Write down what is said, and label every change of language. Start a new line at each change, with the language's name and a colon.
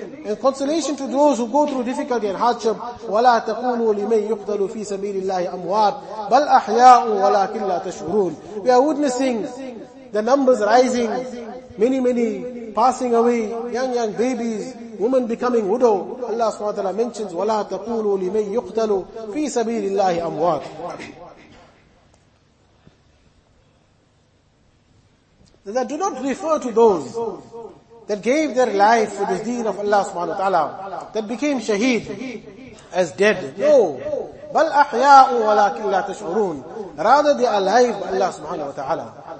English: And consolation to those who go through difficulty and hardship.
Arabic: وَلَا تَقُولُوا لِمَنْ يُقْتَلُ فِي سَبِيلِ اللَّهِ أَمْوَاتٌ بَلْ أَحْيَاءٌ وَلَكِنْ لَا تَشْعُرُونَ.
English: We are witnessing the numbers rising, many, many passing away, young babies, women becoming widow. Allah subhanahu wa ta'ala mentions,
Arabic: وَلَا تَقُولُوا لِمَنْ يُقْتَلُ فِي سَبِيلِ اللَّهِ أَمْوَاتٌ.
English: That do not refer to those that gave their life for the deen of Allah subhanahu wa ta'ala, that became shaheed as dead. No.
Arabic: بَلْ أَحْيَاءُ وَلَكِنْ لَا تَشْعُرُونَ.
English: Rather they are alive by Allah subhanahu wa ta'ala.